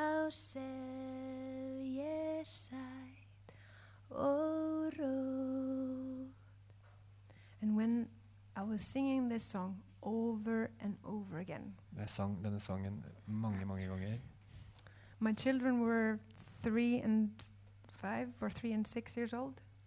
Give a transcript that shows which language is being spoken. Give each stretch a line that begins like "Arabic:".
Icelandic: sem ég sæt og rót.
English: And when I was singing this song over and over again.
Swedish: Jag sang denna sången många många gånger.
English: My children were 3 and 5 or 3 and 6 years old.